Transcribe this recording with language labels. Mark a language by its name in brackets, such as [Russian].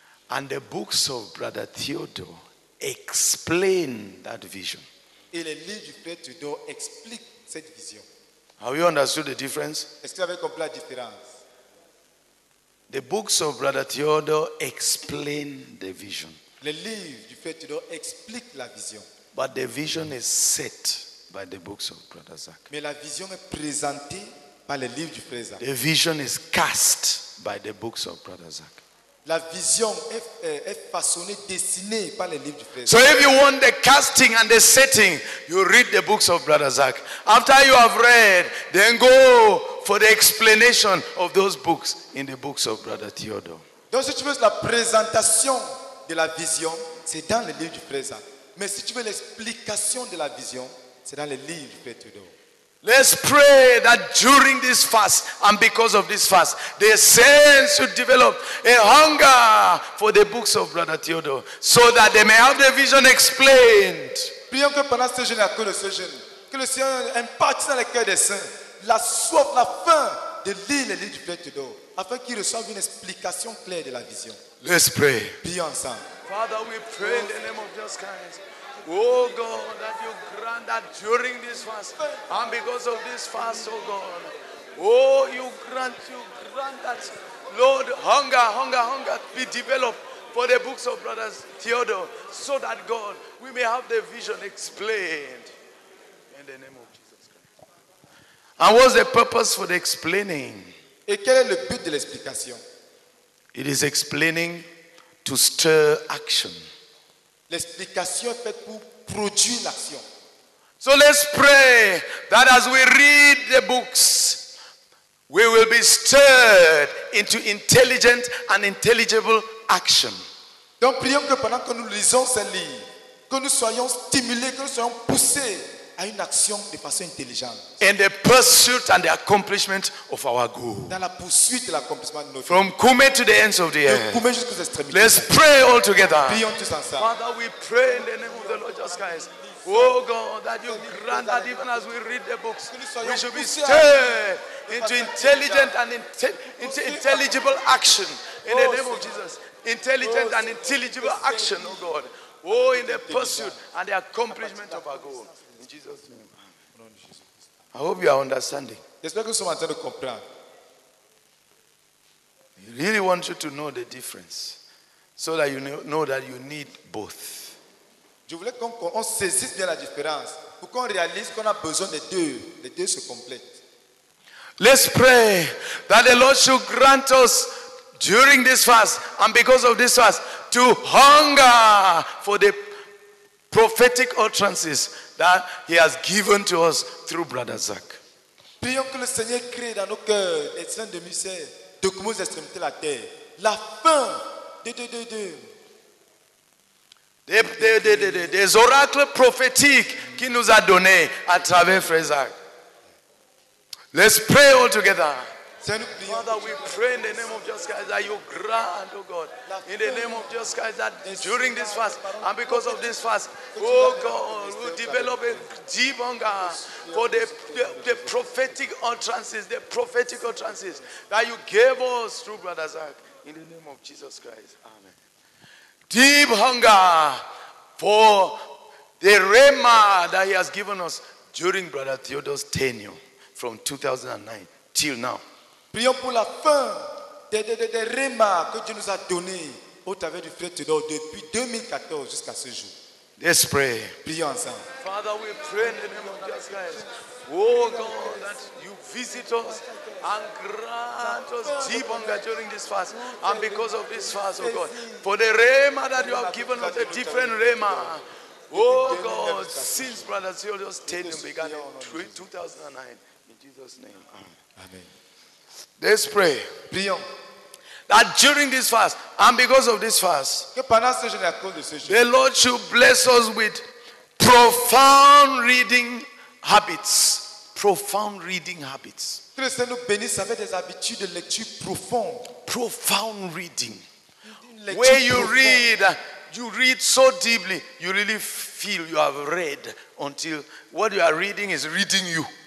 [English] And the books of Brother Theodore explain that vision. [French] Et les livres du frère Theodore expliquent cette vision. [English] Have you understood the difference? [French] Est-ce que vous avez compris la différence? [English] The books of Brother Theodore explain the vision. [French] Les livres du frère Theodore expliquent la vision. [English] But the vision is set by the books of Brother Zach. [French] Mais la vision est présentée par les livres du frère Zach. [English] The vision is cast by the books of Brother Zach. [French] La vision est façonnée, dessinée par les livres du frère Zach. [English] So if you want the casting and the setting, you read the books of Brother Zach. After you have read, then go for the explanation of those books in the books of Brother Theodore. [French] Donc si tu veux la présentation de la vision, c'est dans les livres du frère Zach. Mais si tu veux l'explication de la vision, c'est dans les livres du frère Theodore. [English] Let's pray that during this fast and because of this fast, the saints should develop a hunger for the books of Brother Theodore so that they may have the vision explained. [French] Prions que pendant ce jeûne, à cause de ce jeûne, que le Seigneur imparte dans le cœur des saints la soif, la faim de lire les livres du Père Théodore afin qu'ils reçoivent une explication claire de la vision. [English] Let's pray. [French] Prions ensemble. [English] Father, we pray in the name of Jesus Christ. Oh God, that you grant that during this fast and because of this fast, oh God. Oh, you grant that, Lord, hunger, hunger, hunger be developed for the books of Brothers Theodore so that, God, we may have the vision explained in the name of Jesus Christ. And what's the purpose for the explaining? [French] Et quel est le but de l'explication? [English] It is explaining to stir action. [French] L'explication est faite pour produire l'action. [English] So let's pray that as we read the books, we will be stirred into intelligent and intelligible action. [French] Donc prions que pendant que nous lisons ces livres, que nous soyons stimulés, que nous soyons poussés à une action de façon intelligente. [English] In the pursuit and the accomplishment of our goal. [French] Dans la poursuite et l'accomplissement de notre [English] goal. From Kume to the ends of the earth. [French] De Kume jusqu'aux extrémités. [English] Let's pray all together. [French] Prions tous ensemble. [English] Father, we pray in the name of the Lord Jesus Christ. Oh God, that you grant that even as we read the books, we should be stirred into intelligent and intelligible action. In the name of Jesus. Intelligent and intelligible action, oh God. Oh, in the pursuit and the accomplishment of our goal. Jesus' name. I hope you are understanding. [French] J'espère que vous êtes comprendre. [English] He really wants you to know the difference so that you know that you need both. [French] Je voulais qu'on saisisse bien la différence pour qu'on réalise qu'on a besoin des deux. Les deux se complètent. [English] Let's pray that the Lord should grant us during this fast and because of this fast to hunger for the prophetic utterances that he has given to us through Brother Zach. [French] Prions que le Seigneur crée dans nos cœurs les saints de misère, de commencer à extrémités la terre. La fin des oracles prophétiques qu'il nous a donné à travers Frère Zach. [English] Let's pray all together. Father, we pray in the name of Jesus Christ that you grant, oh God, in the name of Jesus Christ that during this fast and because of this fast, oh God, we develop a deep hunger for the prophetic utterances, the prophetic utterances that you gave us through Brother Zach, in the name of Jesus Christ. Amen. Deep hunger for the rhema that he has given us during Brother Theodore's tenure from 2009 till now. [French] Prions pour la fin des rémas que Dieu nous a donné au travers du frère Tudor depuis 2014 jusqu'à ce jour. [English] Let's pray. [French] Prions ensemble. [English] Father, we pray in the name of Jesus Christ. Oh God, that you visit us and grant us deep hunger during this fast and because of this fast, oh God. For the rema that you have given us, a different rema. Oh God, since Brother Theodore's tenure began in 2009. In Jesus' name. Amen. Let's pray. [French] Prions. [English] That during this fast, and because of this fast, [French] que pendant ce jeûne, à cause de ce jeûne, [English] the Lord should bless us with profound reading habits. Profound reading habits. [French] Que le Seigneur nous bénisse avec des habitudes de lecture profonde. [English] Profound reading. Lecture where you profonde. Read, you read so deeply, you really feel you have read until what you are reading is reading you.